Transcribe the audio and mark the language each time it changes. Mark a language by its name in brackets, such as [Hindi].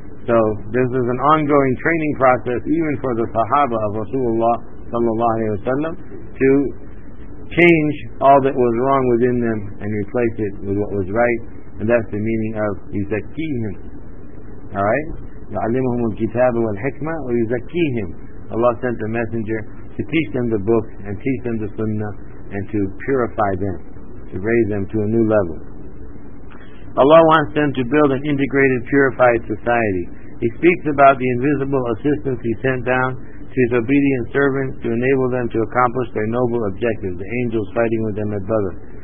[English] So this is an ongoing training process, even for the Sahaba of Rasulullah sallallahu alaihi wasallam, to change all that was wrong within them and replace it with what was right. And that's the meaning of yuzakkihim. Alright? [Arabic] يعلمهم الكتاب والحكمة ويزكيهم. [English] Allah sent the messenger to teach them the book and teach them the sunnah and to purify them, to raise them to a new level. Allah wants them to build an integrated, purified society. He speaks about the invisible assistance He sent down to His obedient servants to enable them to accomplish their noble objectives, the angels fighting with them at Badr.